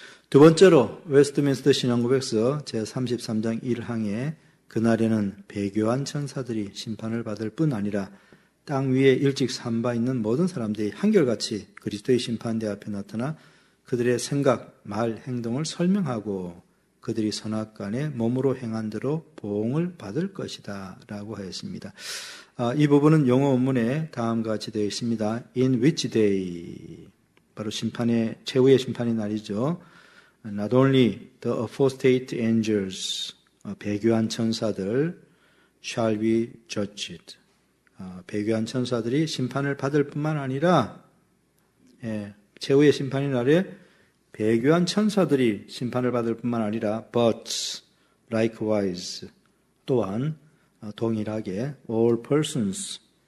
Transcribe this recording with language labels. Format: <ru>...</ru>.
<ko>두 번째로 웨스트민스터 신앙고백서 제33장 1항에 그날에는 배교한 천사들이 심판을 받을 뿐 아니라 땅 위에 일찍 산바 있는 모든 사람들이 한결같이 그리스도의 심판대 앞에 나타나 그들의 생각, 말, 행동을 설명하고 그들이 선악간에 몸으로 행한 대로 보응을 받을 것이다 라고 하였습니다. 이 부분은 영어 원문에 다음과 같이 되어 있습니다.</ko> <en>In which day,</en> <ko>바로 심판의 최후의 심판의 날이죠.</ko> <en>Not only the apostate angels,</en> <ko>배교한 천사들</ko> <en>shall be judged.</en> <ko>배교한 천사들이 심판을 받을 뿐만 아니라 최후의 심판의 날에 배교한 천사들이 심판을 받을 뿐만 아니라</ko> <en>but likewise</en> <ko>또한 동일하게</ko> <en>all persons</en>